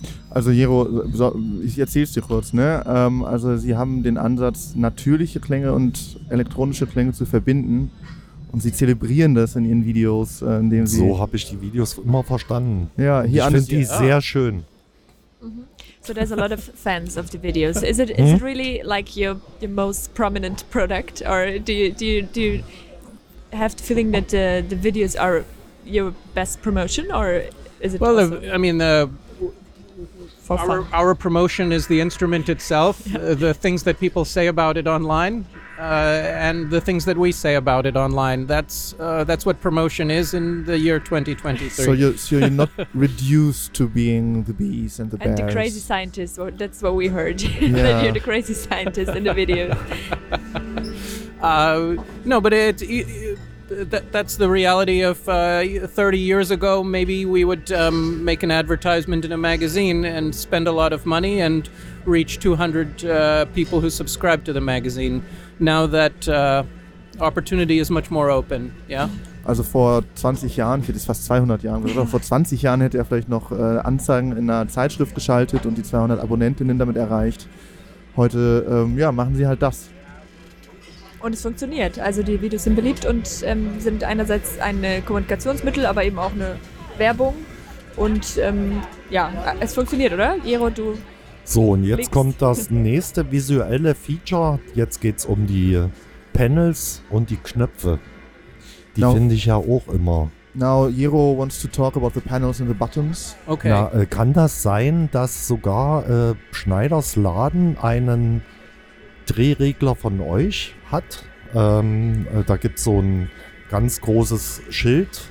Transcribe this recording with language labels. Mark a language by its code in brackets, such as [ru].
[de] Also Jero, ich erzähle es dir kurz, ne? Also sie haben den Ansatz, natürliche Klänge und elektronische Klänge zu verbinden, und sie zelebrieren das in ihren Videos, indem sie... So habe ich die Videos immer verstanden. Ja, hier ich finde die sehr schön. [en] So there's a lot of fans of the videos. Is it really like your most prominent product, or do you have the feeling that the videos are your best promotion, or is it? Well, awesome? I mean, our promotion is the instrument itself, yeah. The things that people say about it online. and the things that we say about it online. That's what promotion is in the year 2023. So you're not reduced to being the bees and the and bears. And the crazy scientists. Well, that's what we heard. Yeah. That you're the crazy scientist in the video. That's the reality of 30 years ago. Maybe we would make an advertisement in a magazine and spend a lot of money and reach 200 people who subscribe to the magazine. Now that opportunity is much more open, yeah? [de] Also vor 20 Jahren, hier ist fast 200 Jahren, oder? Vor 20 Jahren hätte er vielleicht noch Anzeigen in einer Zeitschrift geschaltet und die 200 Abonnentinnen damit erreicht. Heute machen sie halt das. Und es funktioniert. Also die Videos sind beliebt und sind einerseits ein Kommunikationsmittel, aber eben auch eine Werbung. Und es funktioniert, oder? Jero, du... So, und jetzt kommt das nächste visuelle Feature. Jetzt geht's um die Panels und die Knöpfe. Die finde ich ja auch immer. [en] Now, Jero wants to talk about the panels and the buttons. Okay. [de] Kann das sein, dass sogar Schneiders Laden einen Drehregler von euch hat? Da gibt es so ein ganz großes Schild.